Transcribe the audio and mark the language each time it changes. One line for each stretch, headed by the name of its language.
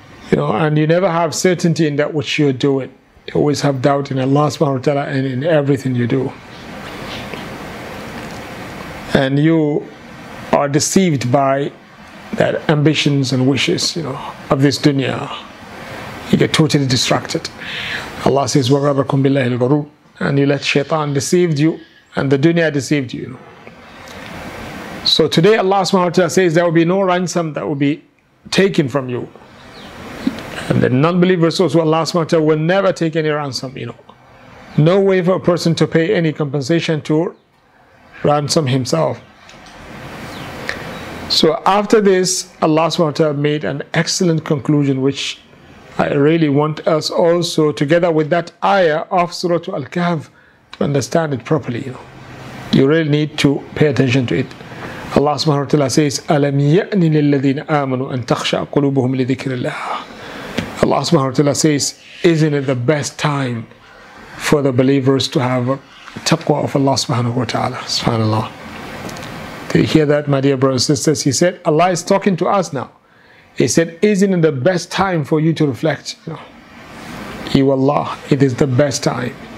English: You know, and you never have certainty in that which you're doing. You always have doubt in Allah subhanahu wa ta'ala and in everything you do. And you are deceived by that ambitions and wishes, you know, of this dunya. You get totally distracted. Allah says,
Arabic: وَغَرَّكُمْ بِاللَّهِ الْغُرُورُ.
English: And you let shaitan deceived you, and the dunya deceived you. So today Allah subhanahu wa ta'ala says there will be no ransom that will be taken from you. And the non-believers also, Allah subhanahu wa ta'ala will never take any ransom, you know. No way for a person to pay any compensation to ransom himself. So after this, Allah subhanahu wa ta'ala made an excellent conclusion, which I really want us also, together with that ayah of Surah Al-Kahf, to understand it properly. You know, you really need to pay attention to it. Allah subhanahu wa ta'ala says,
Arabic: أَلَمْ يَأْنِ لِلَّذِينَ آمَنُوا أَن تَخْشَعَ قُلُوبُهُمْ لِذِكْرِ اللَّهِ.
English: Allah subhanahu wa ta'ala says, isn't it the best time for the believers to have taqwa of Allah subhanahu wa ta'ala? SubhanAllah. Did you hear that, my dear brothers and sisters? He said, Allah is talking to us now. He said, isn't it the best time for you to reflect? No. You Allah, it is the best time.